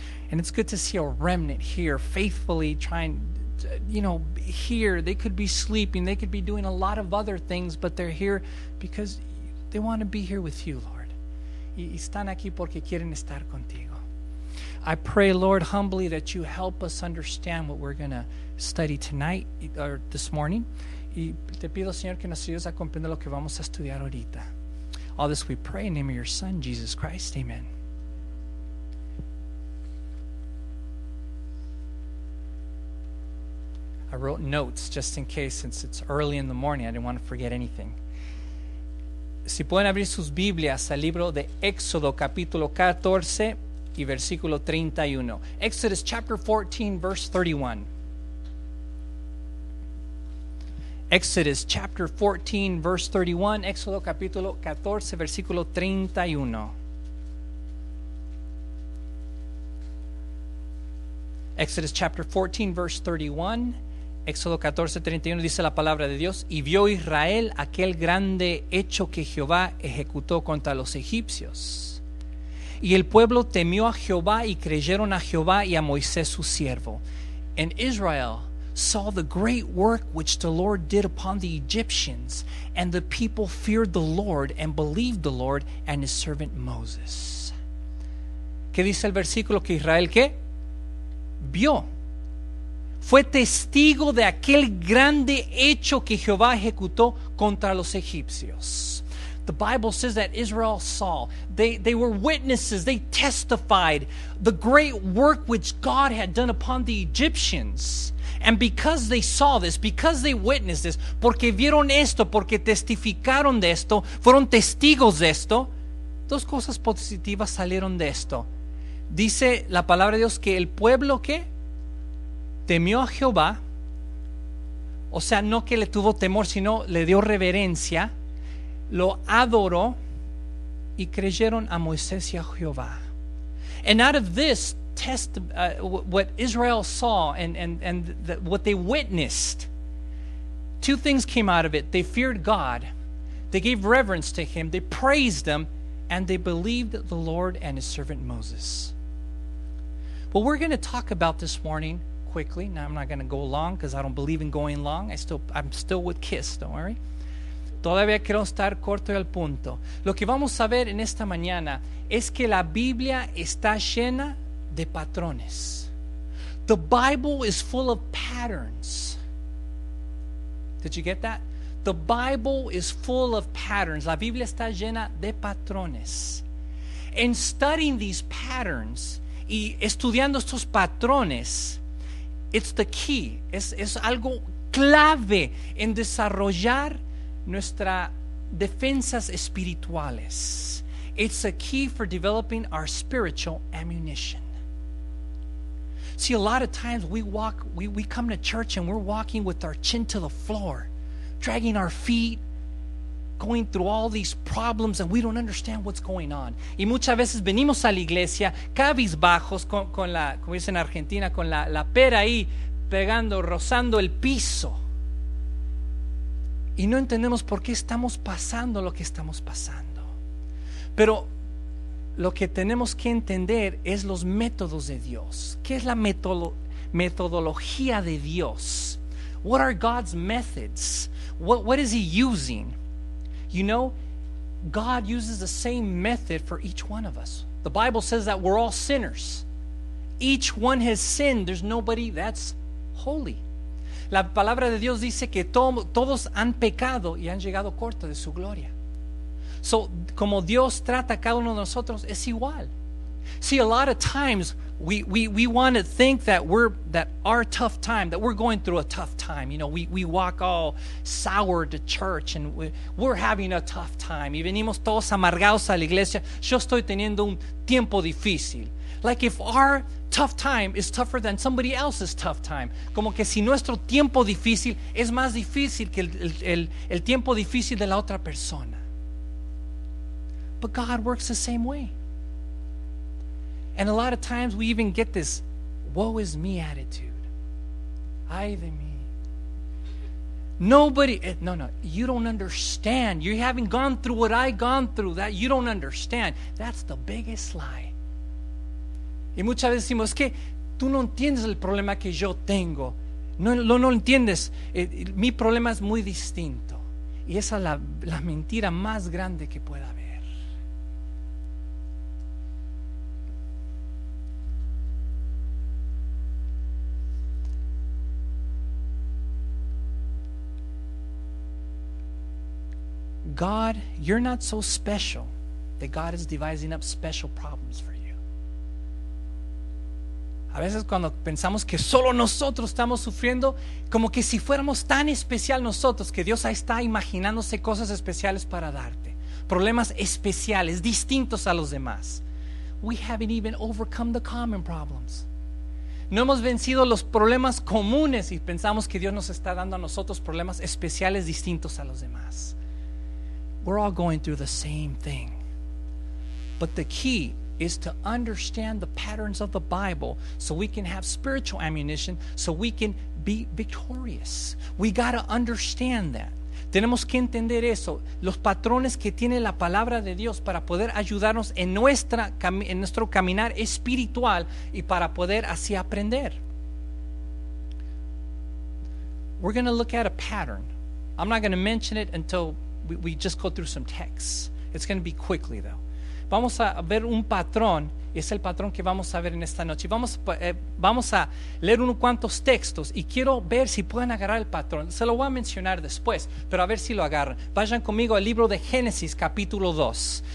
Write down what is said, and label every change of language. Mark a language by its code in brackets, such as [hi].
[en] And it's good to see a remnant here faithfully trying to, you know, here. They could be sleeping, they could be doing a lot of other things, but they're here because they want to be here with you, Lord. [es] Y están aquí porque quieren estar contigo. [en] I pray, Lord, humbly that you help us understand what we're going to study tonight or this morning. [es] Y te pido, Señor, que nos ayudes a comprender lo que vamos a estudiar ahorita. [en] All this we pray in the name of your Son, Jesus Christ. Amen. I wrote notes just in case, since it's early in the morning. I didn't want to forget anything. [es] Si pueden abrir sus Biblias al libro de Éxodo, capítulo 14 y versículo 31. [en] Exodus chapter 14, verse 31. Exodus chapter 14, verse 31. [es] Éxodo capítulo 14, versículo 31. [en] Exodus chapter 14, verse 31. [es] Éxodo 14, 31 dice la palabra de Dios. Y vio Israel aquel grande hecho que Jehová ejecutó contra los egipcios. Y el pueblo temió a Jehová y creyeron a Jehová y a Moisés su siervo. [en] En Israel saw the great work which the Lord did upon the Egyptians, and the people feared the Lord and believed the Lord and his servant Moses. [es] ¿Qué dice el versículo que Israel qué? Vio. Fue testigo de aquel grande hecho que Jehová ejecutó contra los egipcios. [en] The Bible says that Israel saw. They were witnesses. They testified the great work which God had done upon the Egyptians. And because they saw this, because they witnessed this, [es] porque vieron esto, porque testificaron de esto, fueron testigos de esto, dos cosas positivas salieron de esto. Dice la palabra de Dios que el pueblo que temió a Jehová, o sea, no que le tuvo temor, sino le dio reverencia, lo adoró y creyeron a Moisés y a Jehová. [en] And out of this, what Israel saw and what they witnessed, two things came out of it. They feared God, they gave reverence to him, they praised him, and they believed the Lord and his servant Moses. What we're going to talk about this morning quickly. Now, I'm not going to go long because I don't believe in going long. I'm still with KISS, don't worry. [es] Todavía quiero estar corto y al punto. Lo que vamos a ver en esta mañana es que la Biblia está llena de patrones. [en] The Bible is full of patterns. Did you get that? The Bible is full of patterns. [es] La Biblia está llena de patrones. [en] In studying these patterns, [es] y estudiando estos patrones, [en] it's the key. [es] Es algo clave en desarrollar nuestra defensas espirituales. [en] It's a key for developing our spiritual ammunition. See, a lot of times we come to church and we're walking with our chin to the floor, dragging our feet, going through all these problems, and we don't understand what's going on. [es] Y muchas veces venimos a la iglesia cabizbajos con la, como dicen en Argentina, con la pera ahí pegando, rozando el piso. Y no entendemos por qué estamos pasando lo que estamos pasando. Pero lo que tenemos que entender es los métodos de Dios. ¿Qué es la metodología de Dios? [en] What are God's methods? What is he using? You know, God uses the same method for each one of us. The Bible says that we're all sinners. Each one has sinned. There's nobody that's holy. [es] La palabra de Dios dice que todos han pecado y han llegado corto de su gloria. So, como Dios trata a cada uno de nosotros, es igual. [en] See, a lot of times we want to think that we're going through a tough time. You know, we walk all sour to church and we're having a tough time. [es] Y venimos todos amargados a la iglesia. Yo estoy teniendo un tiempo difícil. [en] Like if our tough time is tougher than somebody else's tough time. [es] Como que si nuestro tiempo difícil es más difícil que el tiempo difícil de la otra persona. [en] But God works the same way. And a lot of times we even get this woe is me attitude. [es] Ay de mí. [en] Nobody, no, you don't understand. You haven't gone through what I've gone through. That you don't understand. That's the biggest lie. [es] Y muchas veces decimos, es que tú no entiendes el problema que yo tengo. No entiendes. Mi problema es muy distinto. Y esa es la mentira más grande que pueda haber. [en] God, you're not so special that God is devising up special problems for you. [es] A veces cuando pensamos que solo nosotros estamos sufriendo, como que si fuéramos tan especial nosotros, que Dios ahí está imaginándose cosas especiales para darte, problemas especiales, distintos a los demás. [en] We haven't even overcome the common problems. [es] No hemos vencido los problemas comunes y pensamos que Dios nos está dando a nosotros problemas especiales, distintos a los demás. [en] We're all going through the same thing. But the key is to understand the patterns of the Bible so we can have spiritual ammunition so we can be victorious. We got to understand that. [es] Tenemos que entender eso, los patrones que tiene la palabra de Dios para poder ayudarnos en nuestro caminar espiritual y para poder así aprender. [en] We're going to look at a pattern. I'm not going to mention it until we just go through some texts. It's going to be quickly though. [es] Vamos a ver un patrón, es el patrón que vamos a ver en esta noche. Vamos a leer unos cuantos textos y quiero ver si pueden agarrar el patrón. Se lo voy a mencionar después, pero a ver si lo agarran. Vayan conmigo al libro de Génesis, capítulo 2.